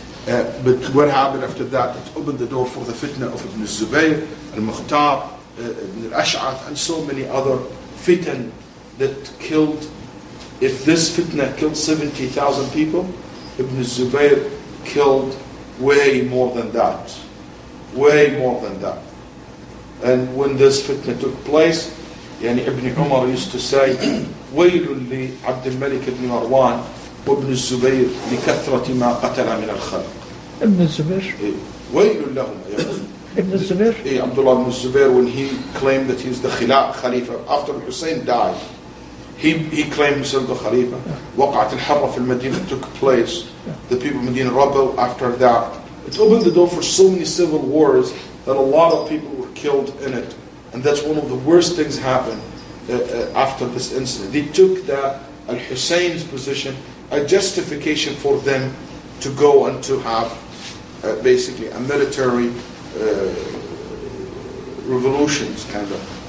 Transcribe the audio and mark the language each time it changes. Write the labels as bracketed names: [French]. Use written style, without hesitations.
[English] But what happened after that? It opened the door for the fitna of Ibn Zubayr, Al-Mukhtar, Ibn Al-Ash'ath, and so many other fitna that killed. If this fitna killed 70,000 people, Ibn Zubayr killed way more than that. Way more than that. And when this fitna took place, Ibn Umar used to say, [Arabic] وَيْلٌ لِعَبْدِ الْمَلِكِ ابْنِ مَرْوَانِ وَابْنِ الزُّبَيْرِ لِكَثْرَةِ مَا قَتَلَ مِنَ الْخَلْقِ. [English] Ibn Zubayr. [Arabic] وَيْلٌ لَهُمْ. [English] Ibn Zubayr. Abdullah ibn Zubayr, when he claimed that he's the Khalifa, after Hussein died, he claimed himself the Khalifa. [Arabic] وَقَعَتِ الْحَرَّ فِي الْمَدِينَ, [English] took place. The people of Medina rebel after that. It opened the door for so many civil wars that a lot of people were killed in it. And that's one of the worst things happened after this incident. They took the Al-Husayn's position, a justification for them to go and to have basically a military revolutions kind of.